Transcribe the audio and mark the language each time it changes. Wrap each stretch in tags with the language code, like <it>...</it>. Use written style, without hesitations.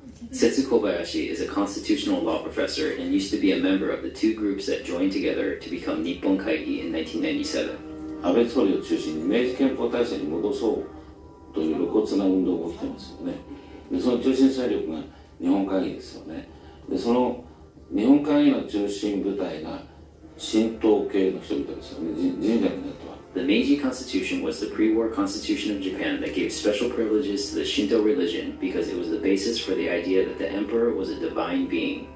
<en>Setsu Kobayashi is a constitutional law professor and used to be a member of the two groups that joined together to become Nippon Kaigi in</en> <ja>1997.安倍総理を中心に明治憲法体制に戻そうという露骨な運動が起きてますよね。その中心勢力が日本会議ですよね。で、その日本会議の中心部隊が神道系の人々ですよね。神社になっては。</ja> <en>The Meiji Constitution was the pre-war constitution of Japan that gave special privileges to the Shinto religion because it was the basis for the idea that the emperor was a divine being.</en>